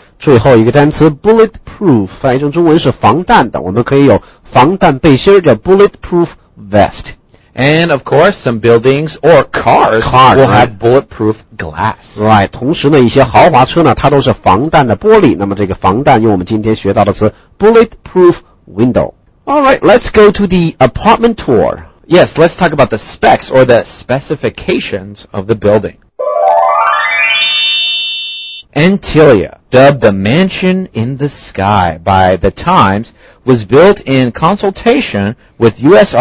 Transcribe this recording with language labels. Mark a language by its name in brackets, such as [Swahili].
[Chinese] 最后一个单词 bulletproof 翻译成中文是防弹的，我们可以有防弹背心叫 bulletproof vest。 [English] And of course, some buildings or cars will have bulletproof glass. Right. [Chinese] 同时呢，一些豪华车呢，它都是防弹的玻璃。那么这个防弹用我们今天学到的词 bulletproof window. [English] All right. Let's go to the apartment tour. Yes. Let's talk about the specs or the specifications of the building. Antilia, dubbed the mansion in the sky by the Times, was built in consultation with U.S.